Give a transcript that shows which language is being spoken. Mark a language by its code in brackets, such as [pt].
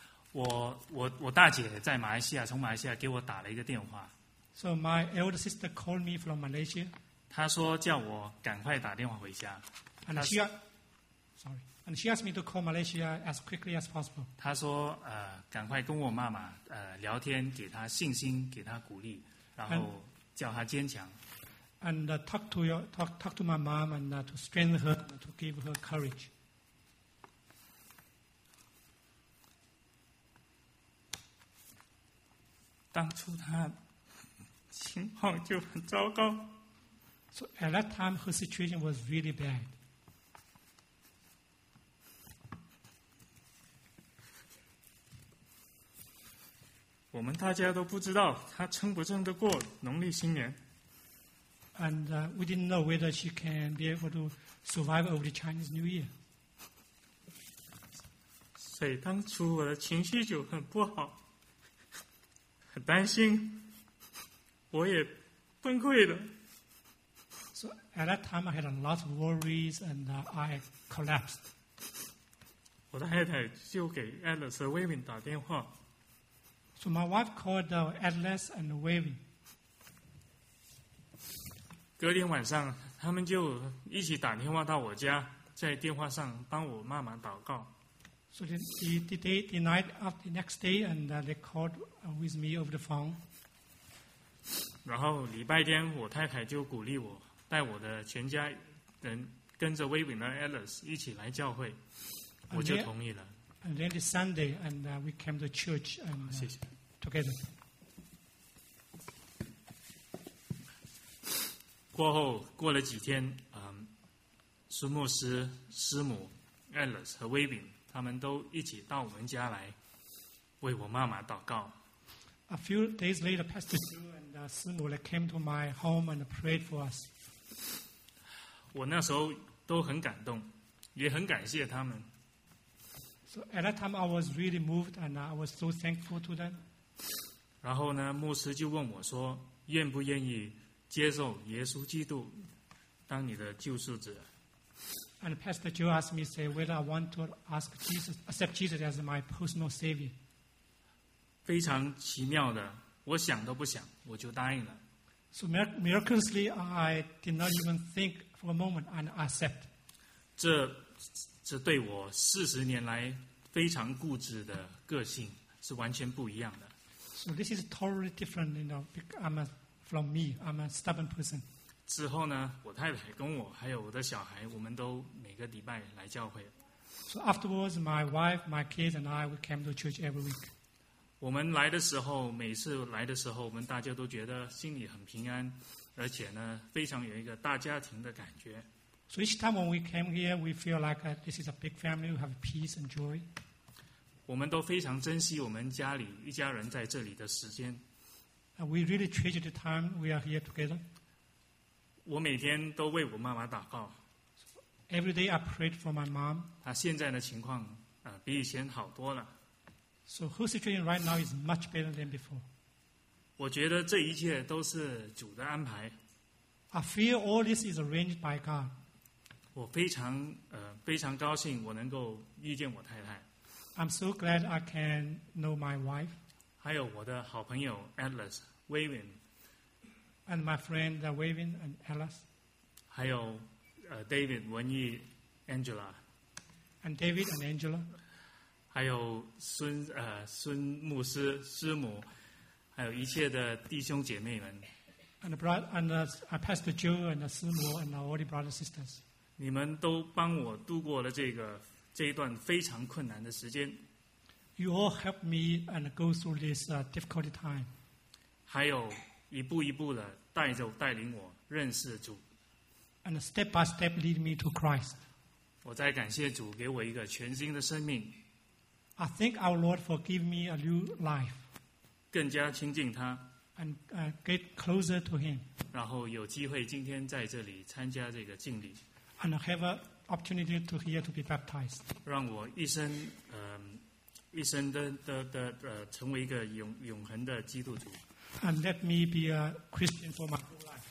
[zh] 我大姐在马来西亚，从马来西亚给我打了一个电话。 [en] So my elder sister called me from Malaysia. [zh] 她说叫我赶快打电话回家。 [en] And she asked me to call Malaysia as quickly as possible. [zh] 她说赶快跟我妈妈聊天，给她信心，给她鼓励，然后叫她坚强。 [en] And talk to my mom and to strengthen her, to give her courage. [zh] 当初她情况就很糟糕。 [en] So at that time, her situation was really bad. [zh] 我们大家都不知道她撑不撑得过农历新年。 [en] And we didn't know whether she can be able to survive over the Chinese New Year. [zh] 所以当初我的情绪就很不好，很担心，我也崩溃了。 [en] So at that time I had a lot of worries and I collapsed. [zh] 我的太太就给 Alice 和 Waven 打电话。 [en] So my wife called Atlas and Waving. [zh] 隔天晚上，他们就一起打电话到我家，在电话上帮我妈妈祷告。 [en] So the night of the next day, and they called with me over the phone. [zh] 然后礼拜天，我太太就鼓励我，带我的全家人跟着 Waving 和 Atlas 一起来教会，我就同意了。 [en] And then the Sunday, and we came to church and together. [zh] 过后过了几天，苏牧师、师母、Alice 和威炳，他们都一起到我们家来为我妈妈祷告。 [en] A few days later, Pastor Sue and 师母 they came to my home and prayed for us. [zh] 我那时候都很感动，也很感谢他们。 [en] So at that time, I was really moved, and I was so thankful to them. [zh] 然后呢，牧师就问我说，愿不愿意接受耶稣基督当你的救世主？ [en] And Pastor Joe asked me, say, whether I want to ask Jesus, accept Jesus as my personal savior. [zh] 非常奇妙的，我想都不想，我就答应了。 [en] So miraculously, I did not even think for a moment and accept. [zh] 这对我四十年来非常固执的个性是完全不一样的。 [en] So this is totally different, you know. I'm a from me. I'm a stubborn person. [zh] 之后呢，我太太跟我还有我的小孩，我们都每个礼拜来教会。 [en] So afterwards, my wife, my kids, and I we came to church every week. [zh] 我们来的时候，每次来的时候，我们大家都觉得心里很平安，而且呢，非常有一个大家庭的感觉。 [en] So each time when we came here, we feel like this is a big family. We have peace and joy. [zh] 我们都非常珍惜我们家里一家人在这里的时间。 [en] We really treasure the time we are here together. [zh] 我每天都为我妈妈祷告。 [en] Every day I prayed for my mom. [zh] 她现在的情况比以前好多了。 [en] So her situation right now is much better than before. [zh] 我觉得这一切都是主的安排。 [en] I feel all this is arranged by God. [zh] 我非常高兴我能够遇见我太太。 [en] I'm so glad I can know my wife. [zh] 还有我的好朋友 Atlas, Waving. [en] And my friend Waving and Atlas. [zh] 还有David, 文艺 Angela. [en] And David and Angela. [zh] 还有孙牧师师母，还有一切的弟兄姐妹们。 [en] And the brother, and the Pastor Joe and the 师母 and all the brothers and sisters. [zh] 你们都帮我度过了这一段非常困难的时间。 [en] You all help me and go through this difficult time. [zh] 还有一步一步的带领我认识主。 [en] And step by step lead me to Christ. [zh] 我再感谢主给我一个全新的生命。 [en] I thank our Lord for giving me a new life. [zh] 更加亲近他。 [en] And get closer to him. [zh] 然后有机会今天在这里参加这个敬礼。 [en] And have a opportunity to here to be baptized. [zh] 让我一生的成为一个永恒的基督徒。 [en] And let me be a Christian for my whole life.